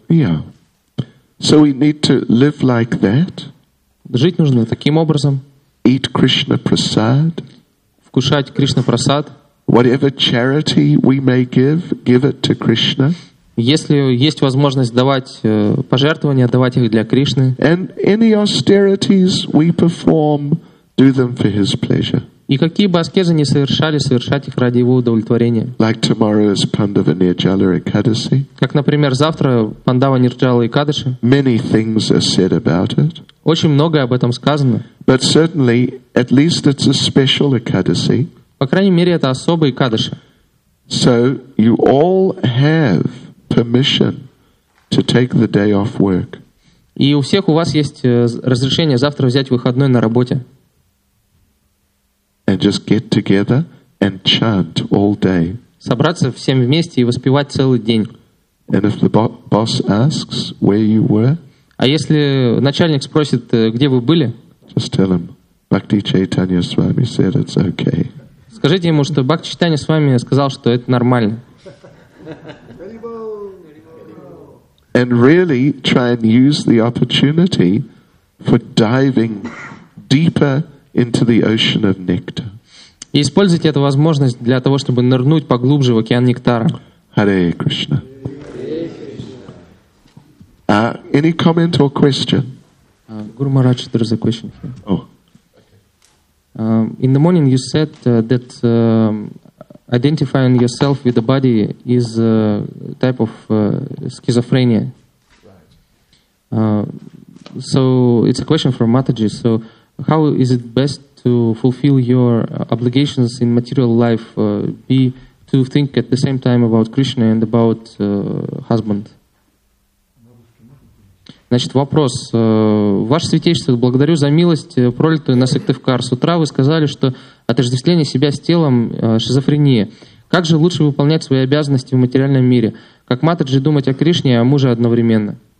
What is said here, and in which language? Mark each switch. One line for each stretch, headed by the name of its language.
English: Yeah. So we need to live like that.
Russian: Жить нужно таким образом.
English: Eat Krishna prasad.
Russian: Вкушать Кришна прасад.
English: Whatever charity we may give, give it to Krishna.
Russian: Если есть возможность давать пожертвования, давать их для Кришны.
English: And any austerities we perform, do them for His pleasure.
Russian: И какие бы аскезы ни совершали, совершать их ради Его удовлетворения.
English: Like tomorrow is Pandava Nirjala Ekadasi.
Russian: Как, например, завтра Пандава Нирджала Экадаши.
English: Many things are said about it.
Russian: Очень многое об этом сказано.
English: But certainly, at least it's a special Ekadasi.
Russian: По крайней мере, это особый Экадаши.
English: So you all have permission to take the day off work.
Russian: И у всех у вас есть разрешение завтра взять выходной на работе.
English: And just get together and chant all day.
Russian: Собраться всем вместе и воспевать целый день.
English: And if the boss asks where you were,
Russian: а если начальник спросит, где вы были,
English: just tell him, Bhakti Chaitanya Swami said it's okay.
Russian: Скажите ему, что Бхакти Чайтанья Свами сказал, что это нормально.
English: And really try and use the opportunity for diving deeper into the ocean of nectar.
Russian: И используйте эту возможность для того, чтобы нырнуть поглубже в океан нектара.
English: Hare Krishna. Any comment or question? Guru Maharaj, there is a question here. Oh. Okay. In the morning you said that identifying yourself with the body is a type of schizophrenia. So it's a question from Mataji. So how is it best to fulfill your obligations in material life, be to think at the same time about Krishna and about husband?
Russian: Значит, вопрос. Ваше святейшество, благодарю за милость, пролитую на Сыктывкар. С утра вы сказали, что отождествление себя с телом шизофрения. Как же лучше выполнять свои обязанности в материальном мире? Как Матаджи думать о Кришне и о муже одновременно?